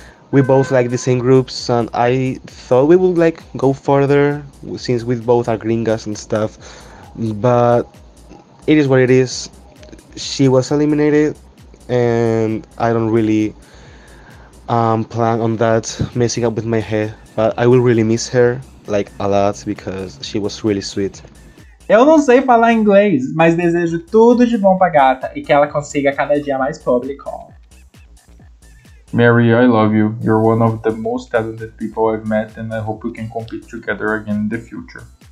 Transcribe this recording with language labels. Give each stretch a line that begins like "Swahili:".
English: We both like the same groups and I thought we would like go further since we both are gringas and stuff. But it is what it is. She was eliminated, and I don't really plan on that messing up with my head. But I will really miss her, like, a lot, because she was really sweet.
Portuguese: Eu não sei falar inglês, mas desejo tudo de bom pra gata e que ela consiga cada dia mais público.
English: Mary, I love you. You're one of the most talented people I've met, and I hope we can compete together again in the future.